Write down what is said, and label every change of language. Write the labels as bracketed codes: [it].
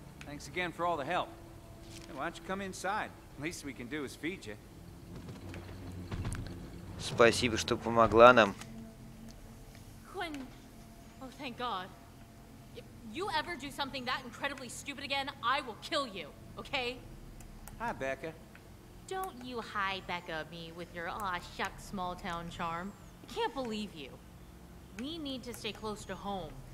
[en] Thanks again for all the help. Why don't you come inside? Least we can do is feed you. [ru] Спасибо, что помогла нам. [en] Quinn, oh thank God. If you ever do something that incredibly stupid again, I will kill you. Okay? Hi, Becca. Don't you hi Becca me with your aw shuck small town charm? I can't believe you. We need to stay close to home.